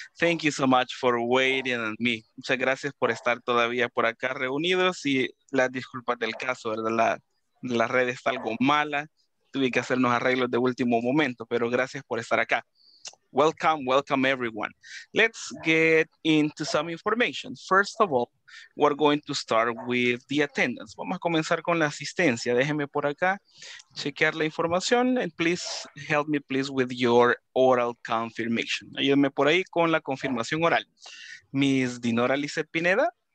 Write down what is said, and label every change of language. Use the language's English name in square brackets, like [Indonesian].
[English] Thank you so much for waiting on me. [Spanish] Muchas gracias por estar todavía por acá reunidos y las disculpas del caso, ¿verdad? La red está algo mala, tuve que hacer unos arreglos de último momento, pero gracias por estar acá. [English] Welcome, welcome everyone. Let's get into some information. First of all, we're going to start with the attendance. [Spanish] Vamos a comenzar con la asistencia. Déjeme por acá chequear la información [English] and please help me please with your oral confirmation. [Spanish] Ayúdame por ahí con la confirmación oral. Miss Dinora Lizeth Pineda.